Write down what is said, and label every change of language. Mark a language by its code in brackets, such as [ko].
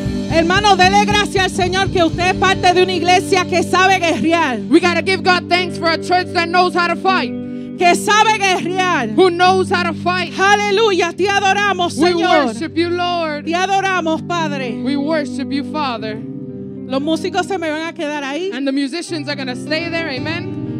[es] Hermano, dele gracias al Señor que usted es parte de una iglesia que sabe guerrear. [en] We gotta give God thanks for a church that knows how to fight. [es] Que sabe guerrear. [en] Who knows how to fight. [es] Aleluya, te adoramos, Señor. [en] We worship you, Lord. [es] Te adoramos, Padre. [en] We worship you, Father. [es] Los músicos se me van a quedar ahí. [en] And the musicians are gonna stay there, amen.